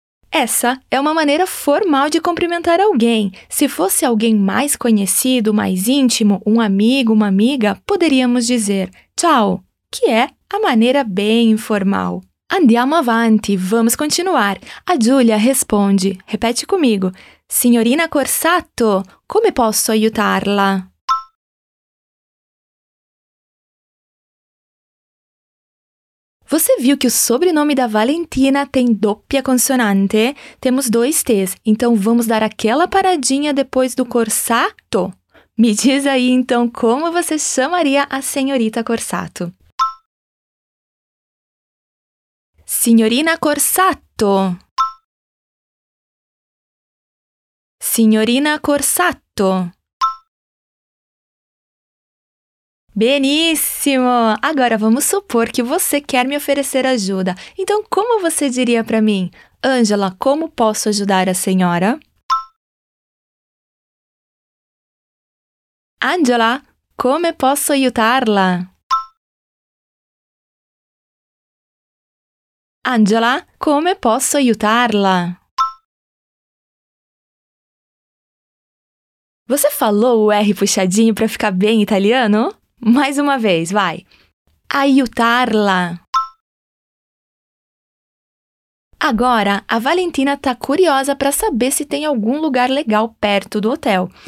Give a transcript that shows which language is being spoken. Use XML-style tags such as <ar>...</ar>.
<pt>Essa é uma maneira formal de cumprimentar alguém. Se fosse alguém mais conhecido, mais íntimo, um amigo, uma amiga, poderíamos dizer ciao, que é a maneira bem informal.</pt> <it>Andiamo avanti,</it> <pt>vamos continuar. A Giulia responde, repete comigo.</pt> <it>Signorina Corsatto, come posso aiutarla?</it> <pt>Você viu que o sobrenome da Valentina tem doppia consonante? Temos dois T's, então vamos dar aquela paradinha depois do Corsatto. Me diz aí, então, como você chamaria a senhorita Corsatto?</pt> <it>Signorina Corsatto. Signorina Corsatto.</it> <pt>Beníssimo! Agora, vamos supor que você quer me oferecer ajuda. Então, como você diria para mim? Angela, como posso ajudar a senhora?</pt> <it>Angela, come posso aiutarla? Angela, come posso aiutarla?</it> <pt>Você falou o R puxadinho para ficar bem italiano? Mais uma vez, vai. Aiutarla. Agora, a Valentina está curiosa para saber se tem algum lugar legal perto do hotel.</pt>